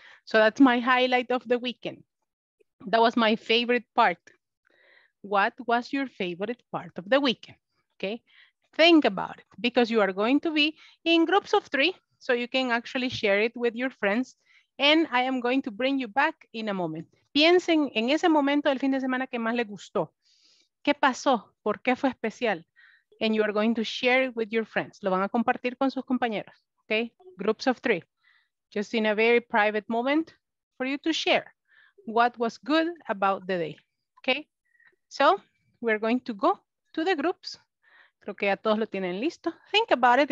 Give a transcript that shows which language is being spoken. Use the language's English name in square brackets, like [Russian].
[English] So that's my highlight of the weekend. That was my favorite part. What was your favorite part of the weekend? Okay, think about it because you are going to be in groups of three. So you can actually share it with your friends and I am going to bring you back in a moment. [Spanish] Piensen en ese momento del fin de semana que más les gustó. ¿Qué pasó? ¿Por qué fue especial? [English] And you are going to share it with your friends. [Spanish] Lo van a compartir con sus compañeros. [English] Okay? Groups of three. Just in a very private moment for you to share what was good about the day. Okay? So, we're going to go to the groups. [Spanish] Creo que ya todos lo tienen listo. [English] Think about it.